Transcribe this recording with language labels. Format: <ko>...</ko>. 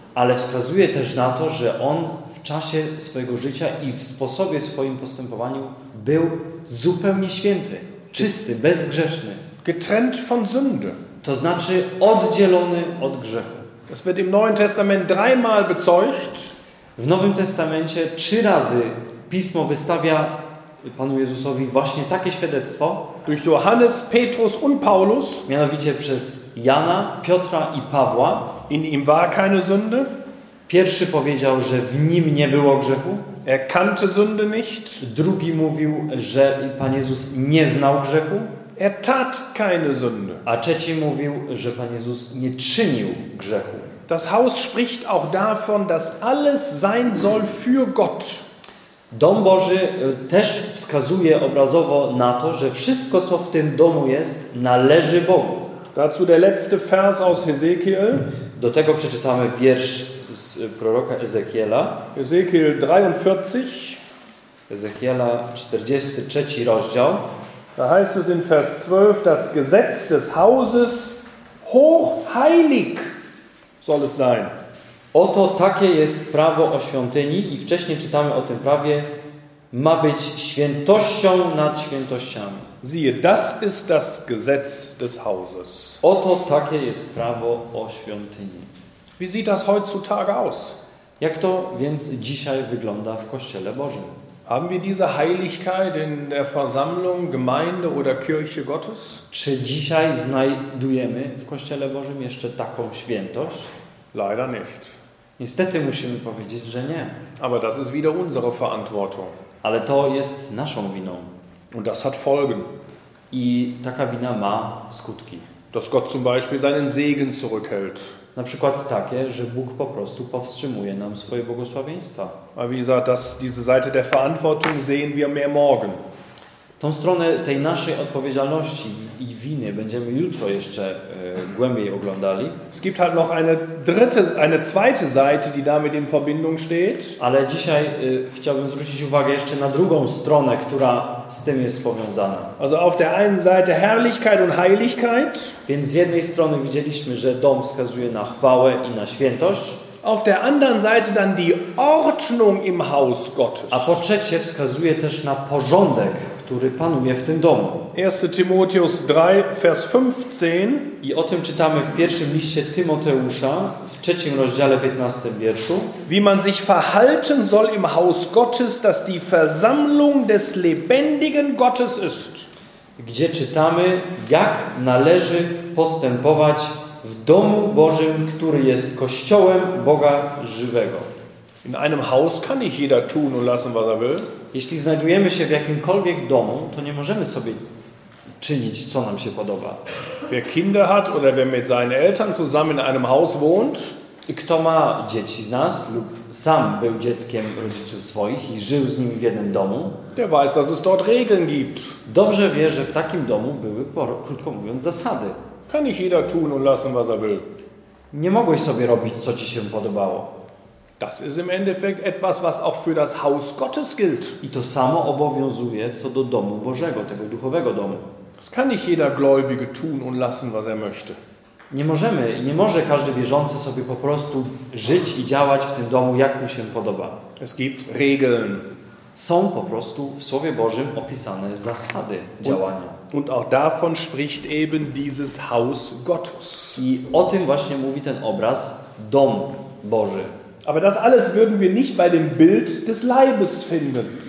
<pl>Ale wskazuje też na to, że on w czasie swojego życia i w sposobie swoim postępowaniu był zupełnie święty, czysty, bezgrzeszny.</pl> <de>Getrennt von Sünde.</de> <pl>To znaczy oddzielony od grzechu.</pl> <de>Das wird im Neuen Testament dreimal bezeugt.</de> <pl>W Nowym Testamencie trzy razy Pismo wystawia Panu Jezusowi właśnie takie świadectwo.</pl> <de>Durch Johannes, Petrus und Paulus.</de> <pl>Mianowicie przez Jana, Piotra i Pawła.</pl> <de>In ihm war keine Sünde.</de> <pl>Pierwszy powiedział, że w nim nie było grzechu.</pl> <de>Er kannte Sünde nicht.</de> <pl>Drugi mówił, że Pan Jezus nie znał grzechu.</pl> <de>Er tat keine Sünde.</de> <pl>A trzeci mówił, że Pan Jezus nie czynił grzechu.</pl> <de>Das Haus spricht auch davon, dass alles sein soll für Gott.</de> <pl>Dom Boży też wskazuje obrazowo na to, że wszystko, co w tym domu jest, należy Bogu.</pl> <de>Dazu der letzte Vers aus Hezekiel.</de> <pl>Do tego przeczytamy wiersz z proroka Ezekiela.</pl> <de>Ezekiel 43.</de> <pl>Ezekiela 43 rozdział.</pl> <de>Da heißt es in Vers 12, das Gesetz des Hauses hochheilig soll es sein.</de> <pl>Oto takie jest prawo o świątyni i wcześniej czytamy o tym prawie, ma być świętością nad świętościami.</pl> <de>Siehe, das ist das Gesetz des Hauses.</de> <pl>Oto takie jest prawo o świątyni.</pl> <de>Wie sieht das heutzutage aus?</de> <pl>Jak to więc dzisiaj wygląda w Kościele Bożym?</pl> <de>Haben wir diese Heiligkeit in der Versammlung, Gemeinde oder Kirche Gottes?</de> <pl>Czy dzisiaj znajdujemy w Kościele Bożym jeszcze taką świętość?</pl> <de>Leider nicht.</de> <pl>Niestety musimy powiedzieć, że nie.</pl> <de>Aber das ist wieder unsere Verantwortung.</de> <pl>Ale to jest naszą winą.</pl> <de>Und das hat Folgen.</de> <pl>I taka wina ma skutki.</pl> <de>Dass Gott zum Beispiel seinen Segen zurückhält.</de> <pl>Na przykład takie, że Bóg po prostu powstrzymuje nam swoje błogosławieństwa.</pl> <de>Aber wie gesagt, diese Seite der Verantwortung sehen wir mehr morgen.</de> <pl>Tą stronę tej naszej odpowiedzialności i winy będziemy jutro jeszcze głębiej oglądali.</pl> <de>Es gibt halt noch eine zweite Seite, die damit in Verbindung steht.</de> <pl>Ale dzisiaj chciałbym zwrócić uwagę jeszcze na drugą stronę, która z tym jest powiązana.</pl> <de>Also auf der einen Seite Herrlichkeit und Heiligkeit.</de> <pl>Więc z jednej strony widzieliśmy, że dom wskazuje na chwałę i na świętość.</pl> <de>Auf der anderen Seite dann die Ordnung im Haus Gottes.</de> <pl>A po trzecie wskazuje też na porządek, który panuje w tym domu.</pl> <de>1 Timoteus 3, Vers 15.</de> <pl>I o tym czytamy w pierwszym liście Tymoteusza, w trzecim rozdziale, 15 wierszu.</pl> <de>Wie man sich verhalten soll im Haus Gottes, das die Versammlung des lebendigen Gottes ist.</de> <pl>Gdzie czytamy, jak należy postępować w domu Bożym, który jest kościołem Boga żywego.</pl> <de>In einem Haus kann nicht jeder tun und lassen, was er will.</de> <pl>Jeśli znajdujemy się w jakimkolwiek domu, to nie możemy sobie czynić, co nam się podoba.</pl> <de>Wer Kinder hat oder wer mit seinen Eltern zusammen in einem Haus wohnt,</de> <pl>kto ma dzieci z nas lub sam był dzieckiem rodziców swoich i żył z nimi w jednym domu,</pl> <de>der weiß, dass es dort Regeln gibt.</de> <pl>Dobrze wie, że w takim domu były, krótko mówiąc, zasady.</pl> <de>Kann ich jeder tun und lassen, was er will.</de> <pl>Nie mogłeś sobie robić, co ci się podobało.</pl> <de>Das ist im Endeffekt etwas, was auch für das Haus Gottes gilt.</de> <pl>I to samo obowiązuje co do domu Bożego, tego duchowego domu.</pl> <de>Das kann nicht jeder Gläubige tun und lassen, was er möchte.</de> <pl>Nie możemy, nie może każdy wierzący sobie po prostu żyć i działać w tym domu, jak mu się podoba.</pl> <de>Es gibt Regeln.</de> <pl>są po prostu w Słowie Bożym opisane zasady działania.</pl> <de>Und auch davon spricht eben dieses Haus Gottes.</de> <pl>I o tym właśnie mówi ten obraz, dom Boży.</pl> <de>Aber das alles würden wir nicht bei dem Bild des Leibes finden.</de>